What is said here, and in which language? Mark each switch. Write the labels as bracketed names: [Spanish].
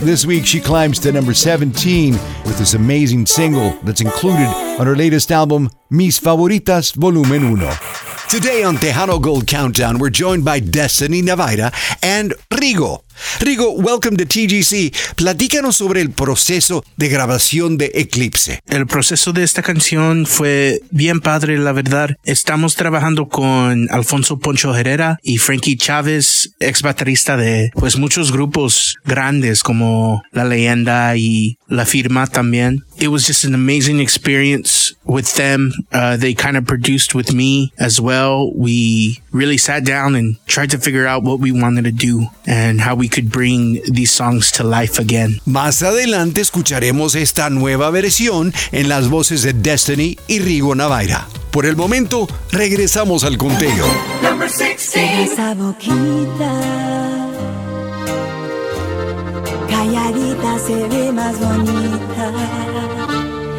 [English] This week she climbs to number 17 with this amazing single that's included on her latest album, Mis Favoritas Volumen 1. Today on Tejano Gold Countdown, we're joined by Destiny Navaira and Rigo. Rigo, welcome to TGC. [Spanish] Platícanos sobre el proceso de grabación de Eclipse. El proceso de esta canción fue bien padre, la verdad. Estamos trabajando con Alfonso Poncho Herrera y Frankie Chávez, ex baterista de pues muchos grupos grandes como La Leyenda y La Firma también. [English] It was just an amazing experience with them. They kind of produced with me as well. We really sat down and tried to figure out what we wanted to do and how we could bring these songs to life again. [Spanish] Más adelante escucharemos esta nueva versión en las voces de Destiny y Rigo Navaira. Por el momento, regresamos al conteo. [English] Number 16. [Spanish] Esa boquita calladita se ve más bonita.